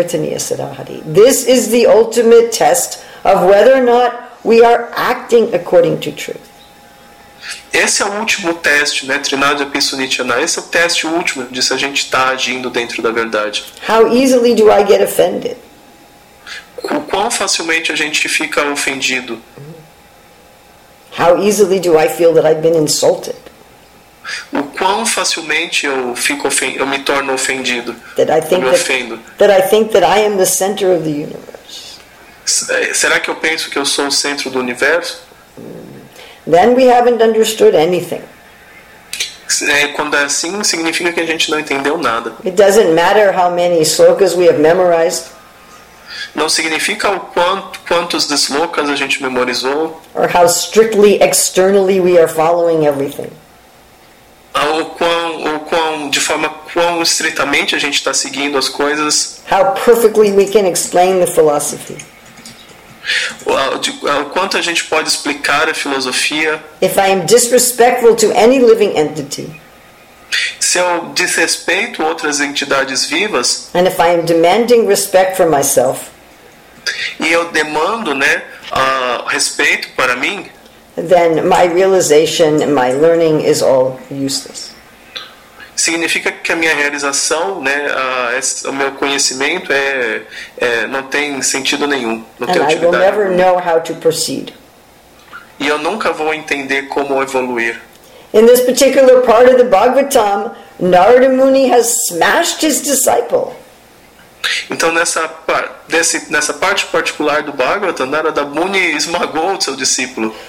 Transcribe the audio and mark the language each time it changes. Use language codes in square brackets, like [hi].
[en] This is the ultimate test of whether or not we are acting according to truth. [pt] Esse é o último teste, né? Trinada Pisunichana. Esse é o teste último de se a gente está agindo dentro da verdade. [en] How easily do I get offended? [pt] Quão facilmente a gente fica ofendido? [en] How easily do I feel that I've been insulted? [pt] o quão facilmente eu fico eu me torno ofendido, me ofendo. [en] That I think that I am the center of the universe. [pt] Será que eu penso que eu sou o centro do universo? [en] Then we haven't understood anything. [pt] Quando é assim, significa que a gente não entendeu nada. [en] It doesn't matter how many slokas we have memorized. [pt] Não significa o quantos deslocas a gente memorizou. [en] Or how strictly externally we are following everything. [pt] Ou quão estritamente a gente está seguindo as coisas. [en] How perfectly we can explain the philosophy. [pt] O quanto a gente pode explicar a filosofia. [en] If I am disrespectful to any living entity. [pt] Se eu desrespeito outras entidades vivas. [en] And if I am demanding respect for myself. [pt] E eu demando, né, respeito para mim. [en] Then my realization, my learning is all useless. [pt] Significa que a minha realização, né, o meu conhecimento não tem sentido nenhum, não [en] and [pt] tem utilidade. [en] I will never know how to proceed. [pt] E eu nunca vou entender como evoluir. [en] In this particular part of the Bhagavatam, Narada Muni has smashed his disciple. [pt] Então nessa parte particular do Bhagavatam, Narada Muni esmagou o seu discípulo.